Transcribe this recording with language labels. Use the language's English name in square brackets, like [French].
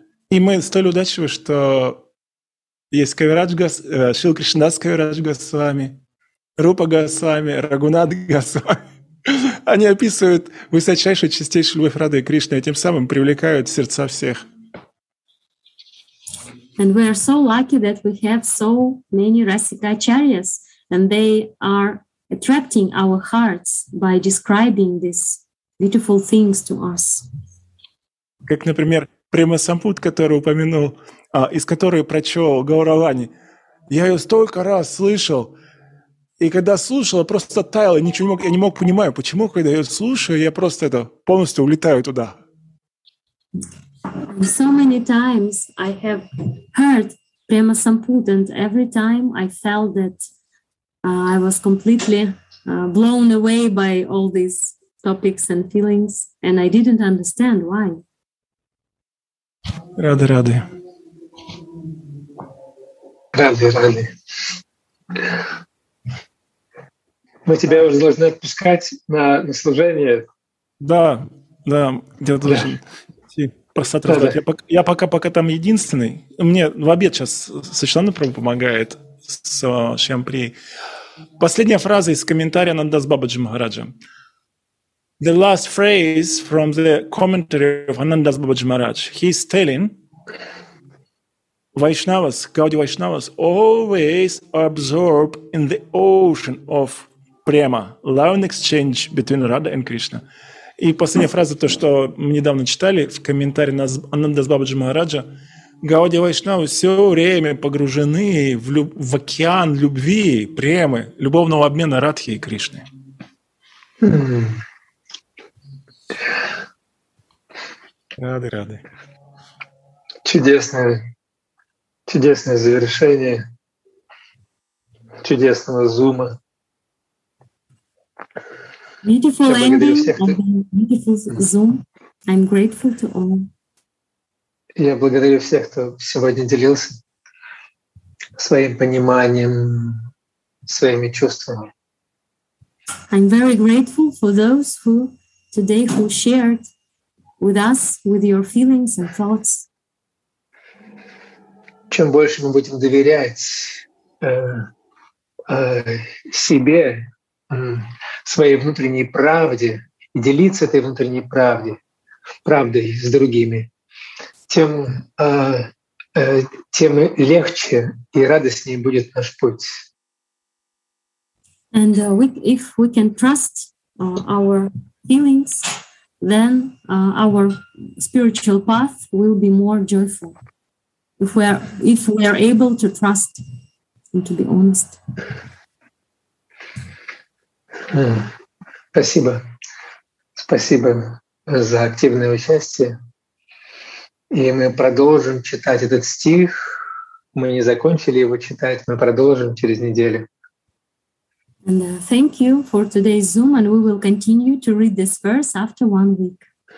[Russian] И мы столь удачливы, что есть Кавирадж Госвами, Шрила Кришнадас Кавирадж Госвами, Рупа Госвами, Рагунат Госвами. Они описывают высочайшую, чистейшую любовь Рады и Кришны, и тем самым привлекают сердца всех. [English] And we are so lucky that we have so many Rasikacharyas, and they are attracting our hearts by describing these beautiful things to us. [Russian] Как, например, Према Сампут, который упомянул, из которой прочел Гауравани. Я ее столько раз слышал, и когда слушал, я просто таял, я не мог понимать, почему, когда я ее слушаю, я просто полностью улетаю туда. [English] So many times I have heard Prema Samput, and every time I felt that I was completely blown away by all these topics and feelings, and I didn't understand why. [Russian] Рады, рады. Рады, рады. Мы тебя уже должны отпускать на служение. Да, да, я должен идти просад раздать. Я пока там единственный. Мне в обед сейчас Сачтана Прабу помогает с Шьямприей. Последняя фраза из комментария Анандас Бабаджи Махараджа. [English] The last phrase from the commentary of Anandas Babaji Maharaj. He's telling Vaishnavas, Gaudiya Vaishnavas, always absorb in the ocean of prema, love and exchange between Radha and Krishna. [Russian] И последняя фраза, то, что мы недавно читали в комментарии на Анандас Бабаджи Махараджа, Гаудия Вайшнава все время погружены в океан любви, премы, любовного обмена Радхи и Кришны. Рады, рады. Чудесное, чудесное завершение чудесного зума. [English] Beautiful ending of the beautiful Zoom. I'm grateful to all. [Russian] Я благодарю всех, кто сегодня делился своим пониманием, своими чувствами. [English] I'm very grateful for those who today who shared with us with your feelings and thoughts. [Russian] Чем больше мы будем доверять себе, своей внутренней правде и делиться этой внутренней правдой с другими, тем легче и радостнее будет наш путь. [English] And if we can trust our feelings, then our spiritual path will be more joyful. If we are able to trust and to be honest. [Russian] Спасибо. Спасибо за активное участие. И мы продолжим читать этот стих. Мы не закончили его читать, мы продолжим через неделю. [English] And thank you for today's Zoom, and we will continue to read this verse after 1 week.